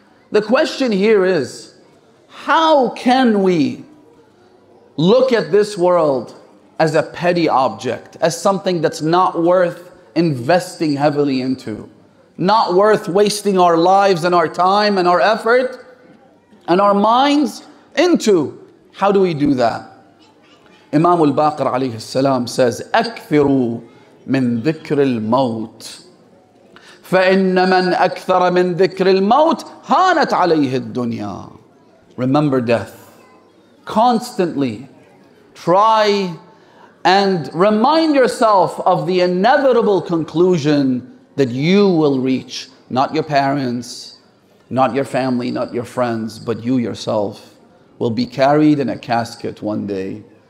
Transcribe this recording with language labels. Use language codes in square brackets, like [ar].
[en] The question here is, how can we look at this world as a petty object, as something that's not worth investing heavily into, not worth wasting our lives and our time and our effort and our minds into? How do we do that? [ar] Imam al-Baqir alayhi salam [en] says, [ar] أكثروا من ذكر الموت فإن من أكثر من ذكر الموت هانت عليه الدنيا. [en] Remember death. Constantly try and remind yourself of the inevitable conclusion that you will reach, not your parents, not your family, not your friends, but you yourself will be carried in a casket one day.